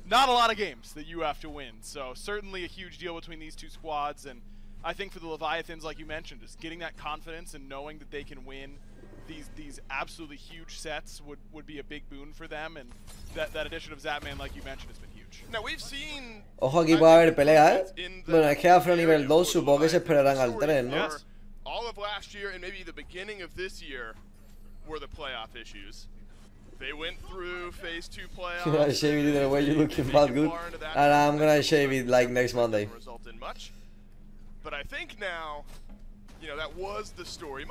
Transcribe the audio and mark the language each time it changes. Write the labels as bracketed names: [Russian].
[English] Not a lot of games that you have to win. So, certainly a huge deal between these two squads. And I think for the Leviathans, like you mentioned, just getting that confidence and knowing that they can win these absolutely huge sets would be a big boon for them. And that addition of Zapman, like you mentioned, has been huge. Now, we've seen... [Spanish] Ojo, aquí puede haber pelea, ¿eh? Bueno, es que Afro nivel 2, supongo que se esperarán al 3, ¿no? [English] Yes. All of last year and maybe the beginning of this year were the playoff issues. They went through phase 2 playoffs. Shave it in a way you're looking bad good. And I'm gonna shave it like next Monday. But I think now, you know, that was the story.